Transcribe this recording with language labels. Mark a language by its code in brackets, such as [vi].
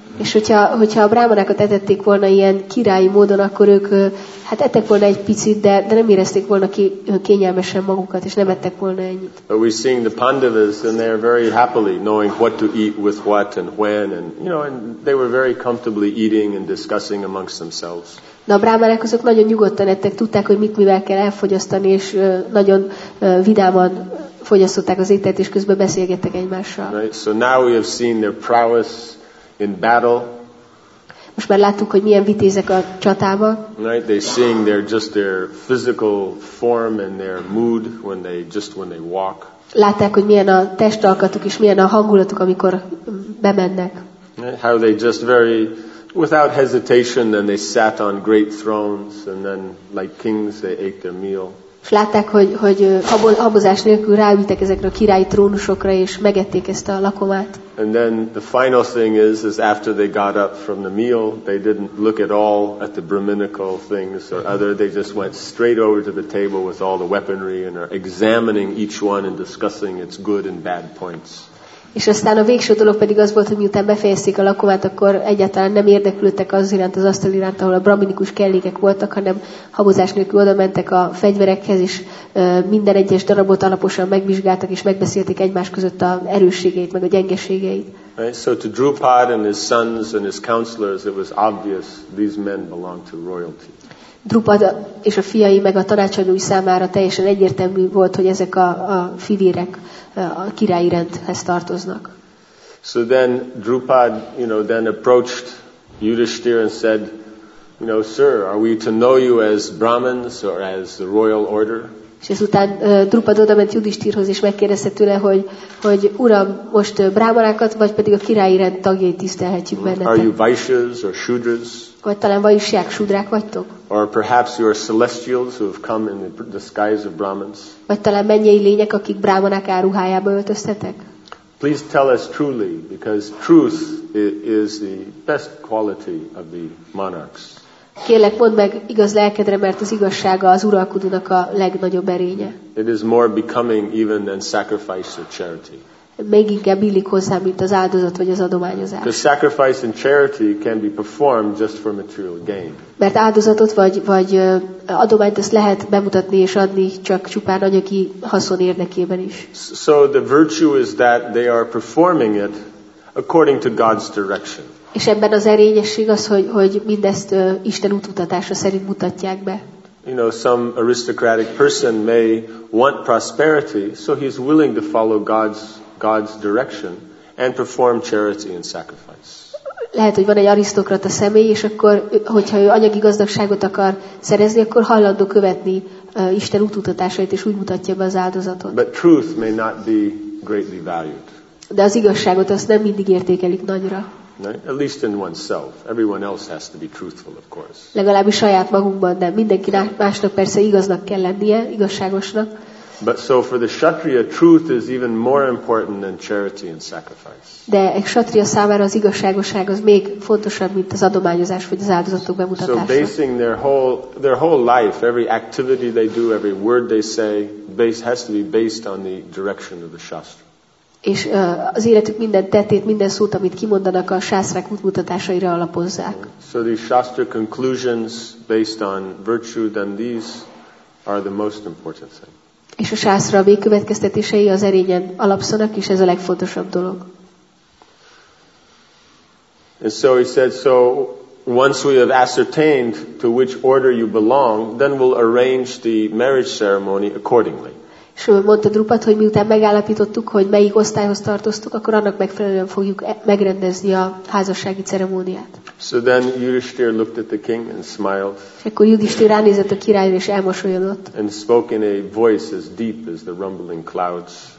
[hu] És hogyha a brámanákat etették volna ilyen királyi módon, akkor ők hát ettek volna egy picit, de nem érezték volna kényelmesen magukat, és nem ettek volna ennyit. [en] But we're seeing the Pandavas and they're very happily knowing what to eat with what and when, and you know, and they were very comfortably eating and discussing amongst themselves. [hu] De a brámanák azok nagyon nyugodtan ettek, tudták, hogy mit mivel kell elfogyasztani, és nagyon vidáman fogyasztották az ételt, és közben beszélgettek egymással. [en] Right, so now we have seen their prowess in battle. [hu] Most már láttuk, hogy milyen vitézek a csatában. [en] Right, they're seeing their just their physical form and their mood when they walk. [hu] Látták, hogy milyen a testalkatuk és milyen a hangulatuk, amikor bemennek. [en] Right, how they just very without hesitation then they sat on great thrones and then like kings they ate their meal. [hu] És látták, hogy habozás nélkül ráültek ezekre a királyi trónusokra, és megették ezt a lakomát. [en] And then the final thing is after they got up from the meal, they didn't look at all at the brahminical things or other. They just went straight over to the table with all the weaponry and are examining each one and discussing its good and bad points. [hu] És aztán a végső dolog pedig az volt, hogy miután befejezték a lakomát, akkor egyáltalán nem érdeklődtek az iránt, az asztal iránt, ahol a brahminikus kellékek voltak, hanem habozás nélkül oda mentek a fegyverekhez, és minden egyes darabot alaposan megvizsgáltak, és megbeszélték egymás között a erősségeit, meg a gyengeségeit. [en] Right, so to Drupad and his sons and his counselors, it was obvious these men belonged to royalty. [hu] Drupad és a fiai meg a tanácsadói számára teljesen egyértelmű volt, hogy ezek a fivérek a királyi rendhez tartoznak. [en] So then Drupad, you know, then approached Yudhishthir and said, you know, sir, are we to know you as Brahmins or as the royal order? [hu] És ezután Drupad odament Yudhishthirhoz és megkérdezte tőle, hogy uram, most brámanákat vagy pedig a királyi rend tagjait tisztelhetjük bennetek? [en] Are you vaishyas or shudras? [hu] Vagy talán vaishyák, shudrák vagytok? [en] Or perhaps you are celestials who have come in the disguise of Brahmins? [hu] Vagy talán mennyei lények, akik brámanák áruhájába öltöztetek? [en] Please tell us truly, because truth is the best quality of the monarchs. [hu] Kérlek, mondd meg igaz lelkedre, mert az igazsága az uralkodónak a legnagyobb erénye. [en] It is more becoming even than sacrifice or charity. [hu] Még inkább illik hozzá, mint az áldozat vagy az adományozás. [en] The sacrifice and charity can be performed just for material gain. [hu] Mert áldozatot vagy adományt ezt lehet bemutatni és adni csak csupán anyagi haszon érdekében is. [en] So the virtue is that they are performing it according to God's direction. [hu] És ebben az erényesség az, hogy mindezt Isten útmutatása szerint mutatják be. [en] You know, some aristocratic person may want prosperity, so he's willing to follow God's direction and perform charity and sacrifice. [hu] Lehet, hogy van egy arisztokrata személy, és akkor, hogyha ő anyagi gazdagságot akar szerezni, akkor hajlandó követni Isten útmutatásait, és úgy mutatja be az áldozatot. [en] But truth may not be greatly valued. [hu] De az igazságot azt nem mindig értékelik nagyra. [en] Right? At least in oneself. Everyone else has to be truthful, of course. [hu] Legalábbis saját magunkban, de mindenki másnak persze igaznak kell lennie, igazságosnak. [en] But so for the kshatriya, truth is even more important than charity and sacrifice. [hu] De egy kshatriya számára az igazságosság az még fontosabb, mint az adományozás vagy az áldozatok bemutatása. [en] So basing their whole life, every activity they do, every word they say, has to be based on the direction of the shastra. [hu] És az életük minden tettét, minden szót, amit kimondanak, a sászrák útmutatásaira alapozzák. [en] So these shastra conclusions based on virtue, then these are the most important thing. [hu] És a sászra végkövetkeztetései az erényen alapszanak, és ez a legfontosabb dolog. [en] And so he said, so once we have ascertained to which order you belong, then we'll arrange the marriage ceremony accordingly. [hu] És mondta Drupad, hogy miután megállapítottuk, hogy melyik osztályhoz tartoztuk, akkor annak megfelelően fogjuk megrendezni a házassági ceremóniát. [en] So then Yudhishthir looked at the king and smiled. [hu] Akkor Yudhishthir ránézett a királyra és elmosolyodott. [en] And spoke in a voice as deep as the rumbling clouds.